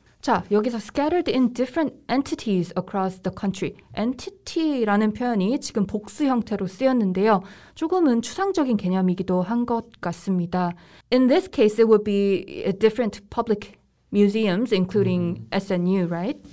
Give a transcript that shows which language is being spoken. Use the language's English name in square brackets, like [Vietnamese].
[Korean] 자, 여기서 [English] scattered in different entities across the country. [Korean] Entity라는 표현이 지금 복수 형태로 쓰였는데요. 조금은 추상적인 개념이기도 한 것 같습니다. [English] In this case, it would be a different public museums, including SNU, right?